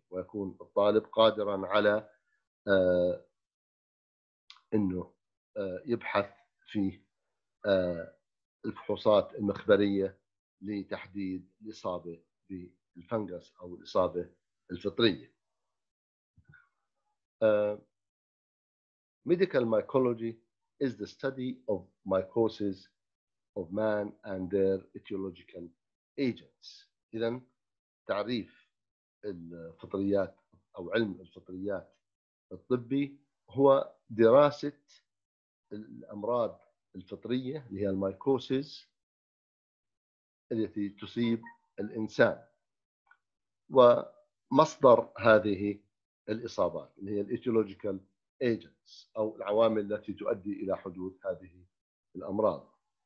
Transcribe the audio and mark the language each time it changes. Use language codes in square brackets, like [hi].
[ar] ويكون الطالب قادرا على إنه يبحث في الفحوصات المخبرية لتحديد الإصابة بالفنجس أو الإصابة الفطرية. [en] Medical mycology is the study of mycosis of man and their etiological agents. [ar] إذن تعريف الفطريات أو علم الفطريات الطبي هو دراسة الأمراض الفطرية اللي هي المايكوسيس التي تصيب الإنسان، ومصدر هذه الإصابات اللي هي الإيتيولوجيكال ايجنتس أو العوامل التي تؤدي إلى حدوث هذه الأمراض.